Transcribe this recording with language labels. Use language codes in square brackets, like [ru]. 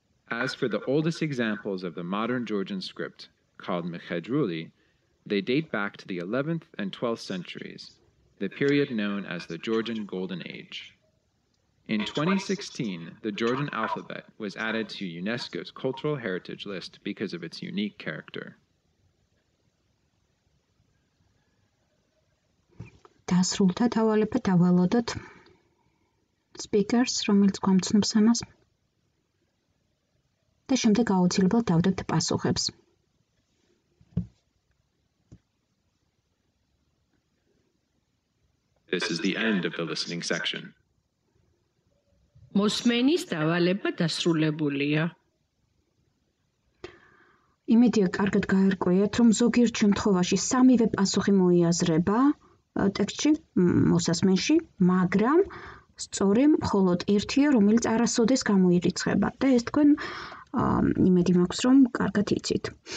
[en] As for the oldest examples of the modern Georgian script, called Mechedruli, they date back to the 11th and 12th centuries, the period known as the Georgian Golden Age. In 2016, the Georgian alphabet was added to UNESCO's cultural heritage list because of its unique character. [ka] დასრულდა დავალება დავალოდოთ. Speakers, რომელიც გვამცნობს ამას. Და შემდეგ აუცილებლად დავდებთ პასუხებს. [en] This is the end of the listening section. [ka] მოსმენის დავალება დასრულებულია. იმედია კარგად გაერკვიათ, რომ ზოგიერთ შემთხვევაში სამივე პასუხი მოიაზრება ტექსტში, მოსასმენში, მაგრამ სწორი მხოლოდ ერთია, რომელიც არასოდეს გამოირიცხება და ეს თქვენ იმედი მაქვს, რომ კარგად იცით.